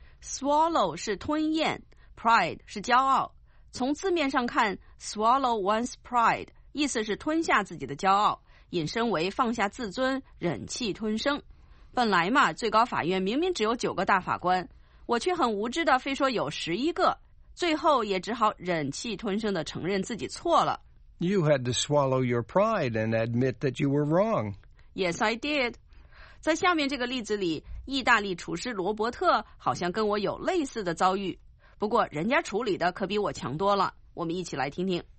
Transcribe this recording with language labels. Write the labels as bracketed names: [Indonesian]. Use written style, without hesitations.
[Chinese] swallow 是吞咽，Pride 是骄傲，从字面上看 [English] swallow one's pride [Chinese] 意思是吞下自己的骄傲，引申为放下自尊，忍气吞声。本来嘛，最高法院明明只有9个大法官，我却很无知的非说有11个，最后也只好忍气吞声的承认自己错了。 [English] You had to swallow your pride and admit that you were wrong. Yes, I did. [Chinese] 在下面这个例子里，意大利厨师罗伯特好像跟我有类似的遭遇，不过人家处理的可比我强多了，我们一起来听听。